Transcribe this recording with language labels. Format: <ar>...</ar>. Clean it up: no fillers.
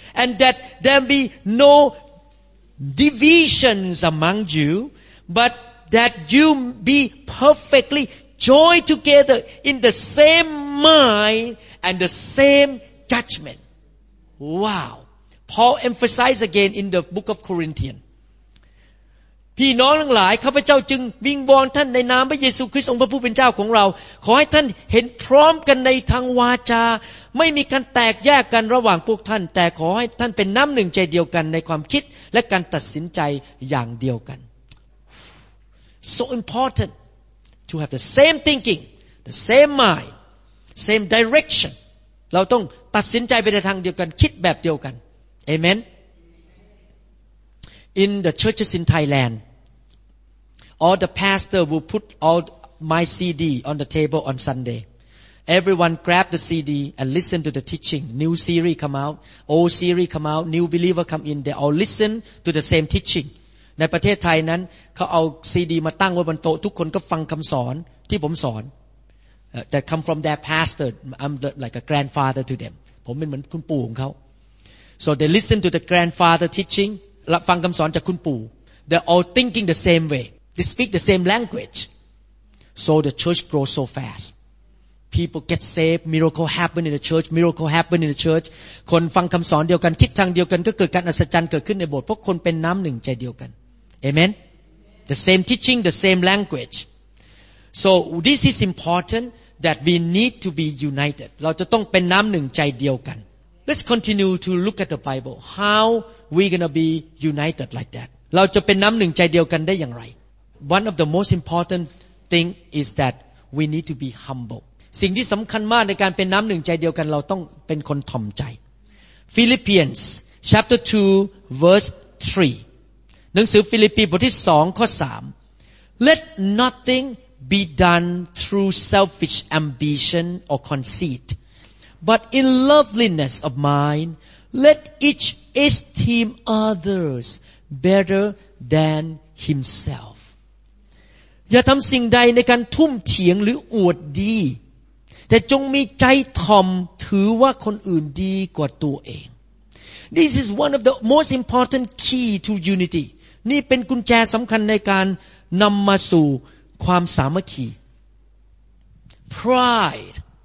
<en>And that there be no... divisions among you, but that you be perfectly joined together in the same mind and the same judgment. Wow. Paul emphasized again in the book of Corinthians.</en> <th>พี่น้องทั้งหลายข้าพเจ้าจึงวิงวอนท่านในนามพระเยซูคริสต์องค์พระผู้เป็นเจ้าของเราขอให้ท่านเห็นพร้อมกันในทางวาจาไม่มีการแตกแยกกันระหว่างพวกท่านแต่ขอให้ท่านเป็นน้ำหนึ่งใจเดียวกันในความคิดและการตัดสินใจอย่างเดียวกัน</th> <en>so important to have the same thinking the same mind same direction</en> <th>เราต้องตัดสินใจไปในทางเดียวกันคิดแบบเดียวกัน</th> <en>amenIn the churches in Thailand, all the pastor will put all my CD on the table on Sunday. Everyone grab the CD and listen to the teaching. New series come out, old series come out, new believer come in. They all listen to the same teaching.</en> <th>ในประเทศไทยนั้นเขาเอา CD มาตั้งไว้บนโต๊ะทุกคนก็ฟังคำสอนที่ผมสอน</th> <en>that come from their pastor. I'm like a grandfather to them.</en> <th>ผมเป็นเหมือนคุณปู่ของเขา</th> <en>So they listen to the grandfather teaching</en> <th>ฟังคำสอนจากคุณปู่</th> <en>They're all thinking the same way. They speak the same language. So the church grows so fast. People get saved. Miracle happen in the church. Miracle happen in the church.</en> <th>คนฟังคำสอนเดียวกันคิดทางเดียวกันก็เกิดการอัศจรรย์เกิดขึ้นในโบสถ์เพราะคนเป็นน้ำหนึ่งใจเดียวกัน Amen.</th> <en>The same teaching, the same language. So this is important that we need to be united.</en> <th>เราจะต้องเป็นน้ำหนึ่งใจเดียวกัน</th> <en>Let's continue to look at the Bible. How we gonna be united like that?</en> <th>เราจะเป็นน้ำหนึ่งใจเดียวกันได้อย่างไร</th> <en>One of the most important thing is that we need to be humble.</en> <th>สิ่งที่สำคัญมากในการเป็นน้ำหนึ่งใจเดียวกันเราต้องเป็นคนถ่อมใจ</th> <en>Philippians chapter 2 verse 3.</en> <th>หนังสือฟิลิปปีบทที่2ข้อ3</th> <en>Let nothing be done through selfish ambition or conceit. But in loveliness of mind, let each esteem others better than himself.</en> <th>อย่าทำสิ่งใดในการทุ่มเถียงหรืออวดดีแต่จงมีใจถ่อมถือว่าคนอื่นดีกว่าตัวเอง</th> <en>This is one of the most important key to unity.</en> <th>นี่เป็นกุญแจสำคัญในการนำมาสู่ความสามัคคี Pride.</th>